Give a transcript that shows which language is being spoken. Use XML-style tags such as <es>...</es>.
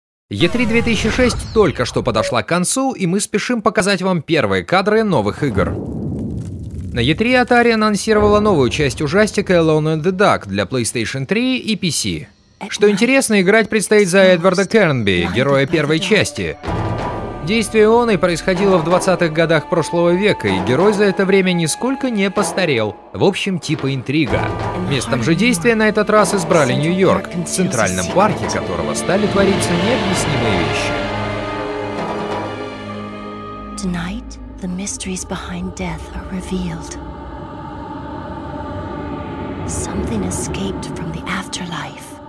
<ru>E3 2006 только что подошла к концу, и мы спешим показать вам первые кадры новых игр. На E3 Atari анонсировала новую часть ужастика Alone in the Dark для PlayStation 3 и PC. Что интересно, играть предстоит за Эдварда Кернби, героя первой части. Действие оной происходило в 20-х годах прошлого века, и герой за это время нисколько не постарел. В общем, типа интрига. Местом же действия на этот раз избрали Нью-Йорк, в центральном парке которого стали твориться необъяснимые вещи.</ru> <en>The mysteries behind death are revealed. Something escaped from the afterlife.</en>